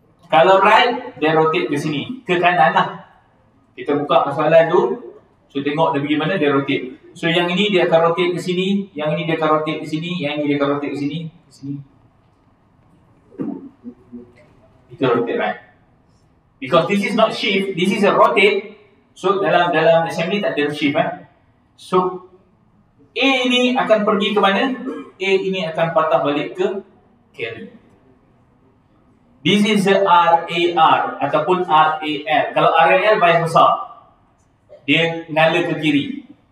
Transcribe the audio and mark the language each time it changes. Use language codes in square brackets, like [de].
[ms] Kalau right, dia rotate ke sini. Ke kanan lah. Kita buka persoalan tu. So tengok dia pergi mana, dia rotate. So yang ini dia akan rotate ke sini, yang ini dia akan rotate ke sini, yang ini dia akan rotate ke sini, ke sini. Itu rotate right. [en] Because this is not shift, this is a rotate. [ms] So dalam assembly tak ada shift eh. So A ini akan pergi ke mana? A ini akan patah balik ke carry. [en] This is the RAR [ms] ataupun RAL. Kalau RAL bias besar, dia ngala ke kiri.